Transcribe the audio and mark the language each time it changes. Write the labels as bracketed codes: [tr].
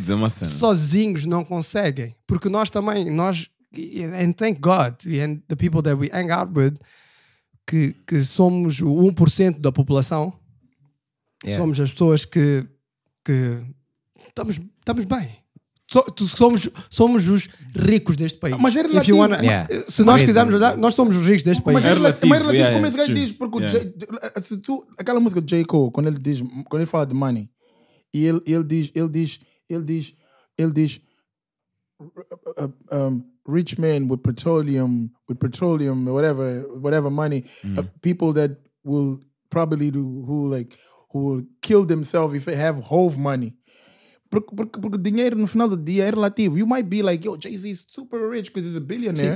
[pt] sozinhos não conseguem, porque nós também, [en] and thank God and the people that we hang out with, [pt] que somos o 1% da população, somos as pessoas que estamos bem. Somos os ricos deste país. Mas é relativo. Wanna, se nós quisermos ajudar, nós somos os ricos deste país. Mas é relativo, como esse gajo diz. Porque aquela música do J. [en] Cole, [pt] quando ele fala de [en] money, [pt] e ele diz [en] rich men with petroleum, whatever money, people that will probably who will kill themselves if they have whole money. [pt] Porque o dinheiro no final do dia é relativo. [en] You might be like, yo, Jay-Z is super rich because he's a billionaire.